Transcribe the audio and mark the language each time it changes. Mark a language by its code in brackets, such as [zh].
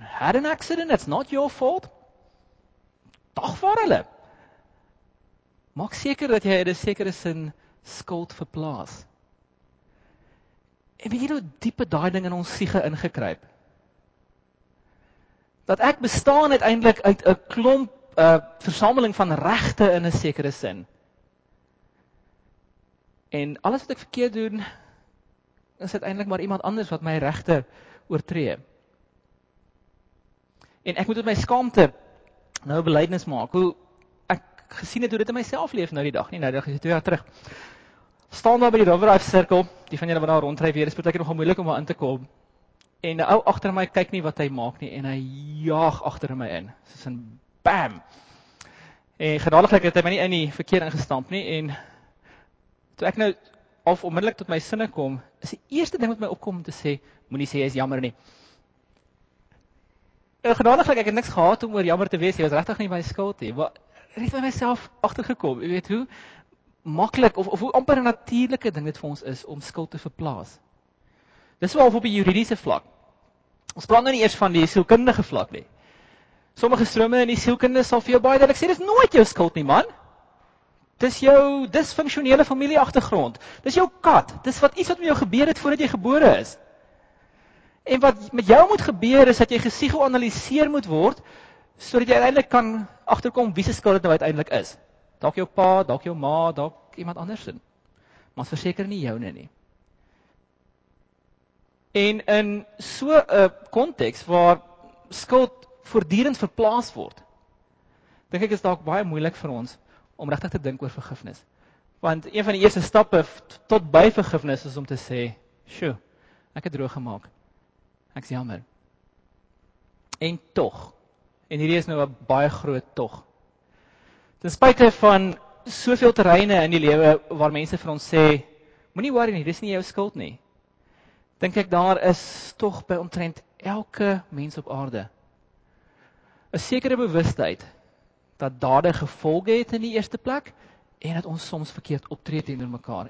[en] Had an accident, it's not your fault. [af] Dagvaar hulle. Maak seker dat jy in 'n sekere sin skuld verplaas. En weet jy hoe diepe daai ding in ons siege ingekruip? Dat ek bestaan uiteindelik uit 'n klomp versameling van regte in 'n sekere sin. En alles wat ek verkeerd doen, is uiteindelik maar iemand anders wat my regte oortree. En ek moet met my skaamte nou 'n belydenis maak. Hoe ek gesien het hoe dit in myself leef nou die dag, nie nou die dag, is 2 jaar terug. Staan daar by die River Drive sirkel, die van julle wat daar ronddryf weer, is baie nogal moeilik om daar in te kom. En die ou agter my kyk nie wat hy maak nie en hy jaag agter my in. Soos 'n bam. En genadiglik het hy my nie in die verkeer ingestamp nie en toe ek nou of onmiddellik tot my sinne kom, is die eerste ding wat my opkom om te sê, moenie sê jy is jammer nie. En genadiglik ek het niks gehad om oor jammer te wees, jy was regtig nie my skuld nie. Maar het by myself agtergekom, jy weet hoe maklik of hoe amper 'n natuurlike ding dit vir ons is om skuld te verplaas. Dis wel op die juridiese vlak. Ons praat nou nie eers van die sielkundige vlak nie. Sommige strome in die sielkunde sal vir jou baie duidelik sê dis nooit jou skuld nie, man. Dis jou disfunksionele familieagtergrond. Dis jou kat. Dis wat iets wat met jou gebeur het voordat jy gebore is. En wat met jou moet gebeur is dat jy gesigo-analiseer moet word sodat jy uiteindelik kan agterkom wie se skuld dit nou uiteindelik is. Dalk jou pa, dalk jou ma, dalk iemand andersin. Maar verseker nie joune nie. En in so 'n konteks waar skuld voortdurend verplaas word, dink ek is dalk baie moeilik vir ons om regtig te dink oor vergifnis. Want een van die eerste stappe tot by vergifnis is om te sê, "Sjoe, ek het droog gemaak. Ek's jammer." En tog, en hierdie is nou 'n baie groot tog. Ten spyte van soveel terreine in die lewe waar mense vir ons sê, moenie worry nie, dis nie jou skuld nie. Dink ek daar is tog by omtrent elke mens op aarde 'n sekere bewustheid dat dade gevolge het in die eerste plek en dat ons soms verkeerd optree teenoor mekaar.